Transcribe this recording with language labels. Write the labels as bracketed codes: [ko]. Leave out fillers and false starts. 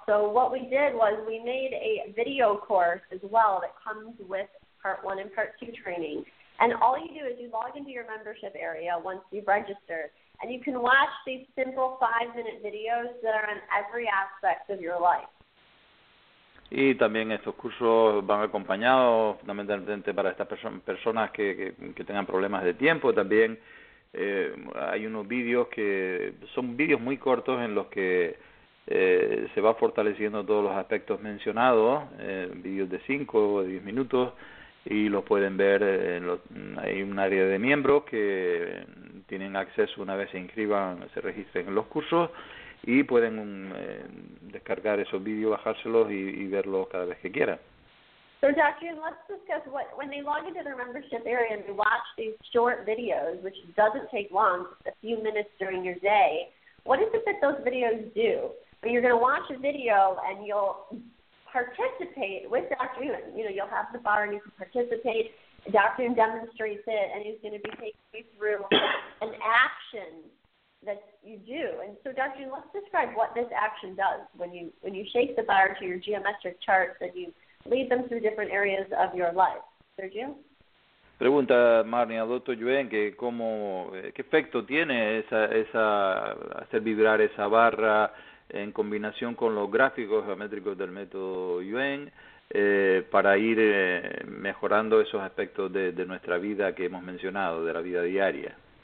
[en] So what we did was we made a video course as well that comes with part one and part two training. And all you do is you log into your membership area once you've registered, and you can watch these simple 5-minute videos that are on every aspect of your life. [es] Y también estos cursos van acompañados fundamentalmente para estas personas que tengan problemas de tiempo también. Hay unos vídeos que son vídeos muy cortos en los que se va fortaleciendo todos los aspectos mencionados, vídeos de 5 o 10 minutos, y los pueden ver, hay un área de miembros que tienen acceso una vez se inscriban, se registren en los cursos, y pueden descargar esos vídeos, bajárselos y verlos cada vez que quieran. [en] So, Dr. Yuen, let's discuss what when they log into their membership area and they watch these short videos, which doesn't take long, just a few minutes during your day, what is it that those videos do? But you're going to watch a video and you'll participate with Dr. Yuen. You know, you'll have the bar and you can participate. Dr. Yuen demonstrates it and he's going to be taking you through an action that you do. And so, Dr. Yuen, let's describe what this action does when you shake the bar to your geometric charts and you lead them through different areas of your life. Sergio? [es] Pregunta Marnie al Dr. Yuen que cómo, qué efecto tiene esa hacer vibrar esa barra en combinación con los gráficos geométricos del método Yuen para ir mejorando esos aspectos de nuestra vida que hemos mencionado, de la vida diaria.